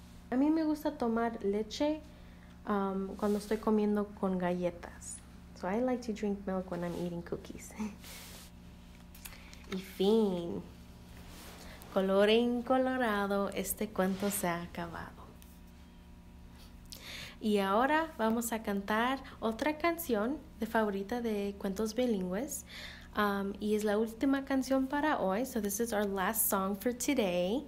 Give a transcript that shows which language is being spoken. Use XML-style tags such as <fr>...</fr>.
<es>A mí me gusta tomar leche cuando estoy comiendo con galletas.</es> <en>So I like to drink milk when I'm eating cookies.</en> <es>Y fin. Colorín colorado, este cuento se ha acabado. Y ahora vamos a cantar otra canción de favorita de cuentos bilingües. Y es la última canción para hoy.</es> <en>So this is our last song for today.</en>